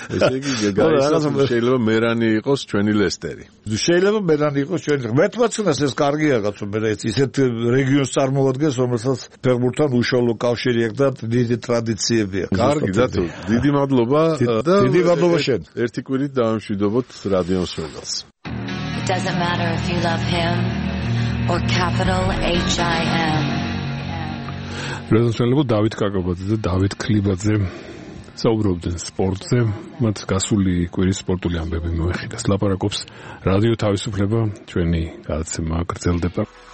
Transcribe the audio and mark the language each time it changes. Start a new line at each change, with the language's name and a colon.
Georgian: ესე იგი გაიგო, შეიძლება მერანი იყოს ჩვენი ლესტერი. შეიძლება მერანი იყოს ჩვენი. მეთვაცნას ეს კარგია კაცო, მე ისეთ რეგიონს წარმოადგენს, რომ ფეხბურთთან უშუალო კავშირი აქვს და დიდი ტრადიციებია. კარგი, დათო, დიდი მადლობა და დიდი მადლობა შენ. ერთი კვირით დაამშვიდობოთ რადიო მსმენელს.
English: It doesn't matter if you love him or capital HIM.
Georgian: ლეზონსელებო დავით კაკაბაძე და დავით კლიბაძე საუბრობდნენ სპორტზე, მათ გასული კვირის სპორტული ამბები მოეხიდეს. ლაპარაკობს რადიო თავისუფლება, ჩვენი გადაცემა გრძელდება.